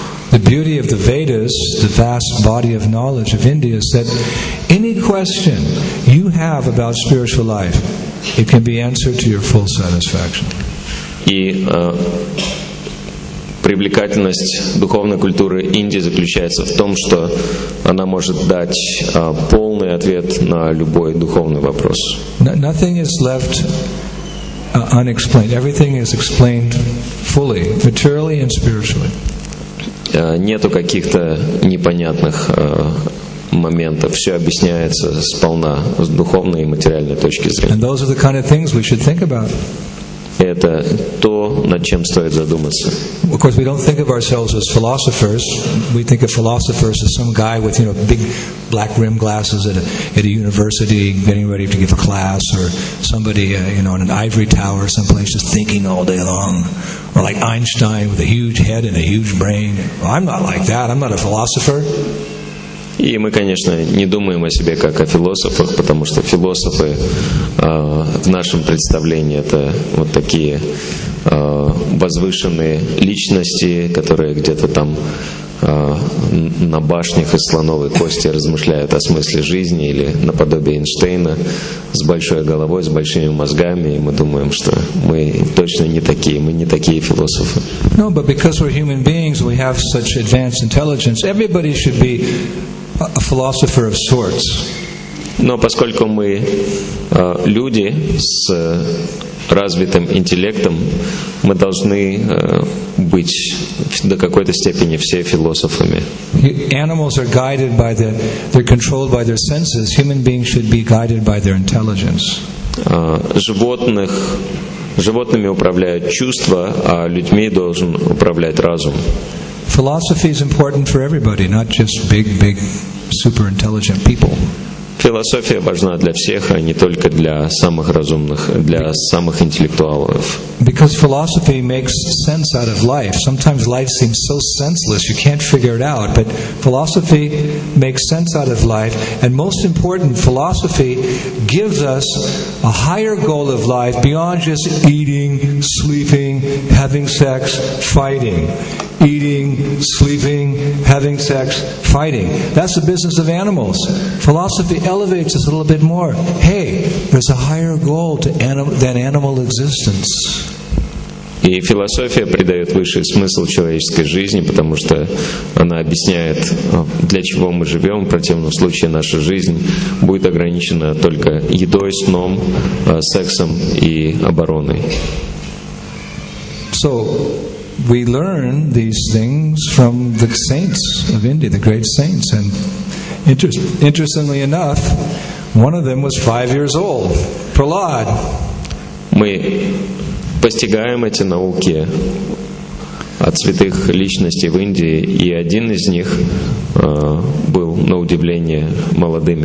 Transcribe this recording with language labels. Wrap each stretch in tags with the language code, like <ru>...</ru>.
<en>The beauty of the Vedas, the vast body of knowledge of India, is that any question you have about spiritual life, it can be answered to your full satisfaction.</en> <ru>И привлекательность духовной культуры Индии заключается в том, что она может дать полный ответ на любой духовный вопрос.</ru> <en>Nothing is left unexplained. Everything is explained fully, materially and spiritually.</en> <ru>Нету каких-то непонятных моментов. Все объясняется сполна с духовной и материальной точки зрения.</ru> <en>And those are the kind of things we should think about.</en> <ru>Это то, над чем стоит задуматься.</ru> <en>Of course, we don't think of ourselves as philosophers. We think of philosophers as some guy with, you know, big black rim glasses at a university, getting ready to give a class, or somebody you know, on an ivory tower someplace, just thinking all day long, or like Einstein with a huge head and a huge brain. Well, I'm not like that. I'm not a philosopher.</en> <ru>И мы, конечно, не думаем о себе как о философах, потому что философы в нашем представлении это вот такие возвышенные личности, которые где-то там на башнях из слоновой кости размышляют о смысле жизни или наподобие Эйнштейна с большой головой, с большими мозгами, и мы думаем, что мы точно не такие, мы не такие философы.</ru> <en>No, but because we're human beings, we have such advanced intelligence, everybody should be a philosopher of sorts.</en> <ru>Но поскольку мы люди с развитым интеллектом, мы должны быть до какой-то степени все философами.</ru> <en>Animals are guided by they're controlled by their senses. Human beings should be guided by their intelligence.</en> <ru>Животными управляют чувства, а людьми должен управлять разум.</ru> <en>Philosophy is important for everybody, not just big super intelligent people.</en> <ru>Философия важна для всех, а не только для самых разумных, для самых интеллектуалов.</ru> <en>Because philosophy makes sense out of life. Sometimes life seems so senseless you can't figure it out, but philosophy makes sense out of life, and most important, philosophy gives us a higher goal of life beyond just eating, sleeping, having sex, fighting. Eating, sleeping, having sex, fighting. That's the business of animals. Philosophy elevates us a little bit more. Hey, there's a higher goal to than animal existence.</en> <ru>И философия придает высший смысл человеческой жизни, потому что она объясняет, для чего мы живем, в противном случае наша жизнь будет ограничена только едой, сном, сексом и обороной.</ru> <en>So, we learn these things from the saints of India, the great saints. And interestingly enough, one of them was 5 years old, Prahlad.</en> <ru>Мы постигаем эти науки от святых личностей в Индии, и один из них был, на удивление, молодым.</ru>